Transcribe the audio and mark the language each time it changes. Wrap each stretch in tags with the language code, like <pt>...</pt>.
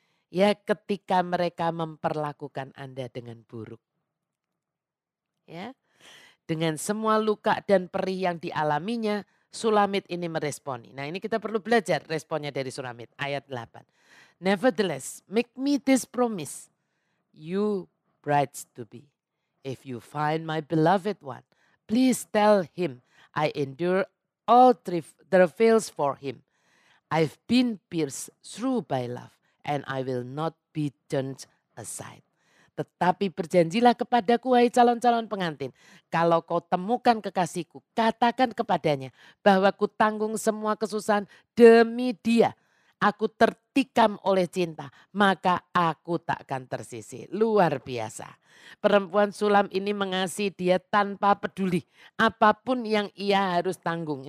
<id>Ya, ketika mereka memperlakukan Anda dengan buruk. Ya. Dengan semua luka dan perih yang dialaminya, Sulamit ini meresponi. Nah, ini kita perlu belajar responnya dari Sulamit ayat 8.</id> <en>Nevertheless, make me this promise. You brides to be, if you find my beloved one, please tell him I endure all travails for him. I've been pierced through by love and I will not be turned aside.</en> <id>Tetapi berjanjilah kepadaku, hai calon-calon pengantin. Kalau kau temukan kekasihku, katakan kepadanya bahwa ku tanggung semua kesusahan demi dia. Aku tertikam oleh cinta, maka aku tak akan tersisih. Luar biasa. Perempuan Sulam ini mengasihi dia tanpa peduli apapun yang ia harus tanggung.</id>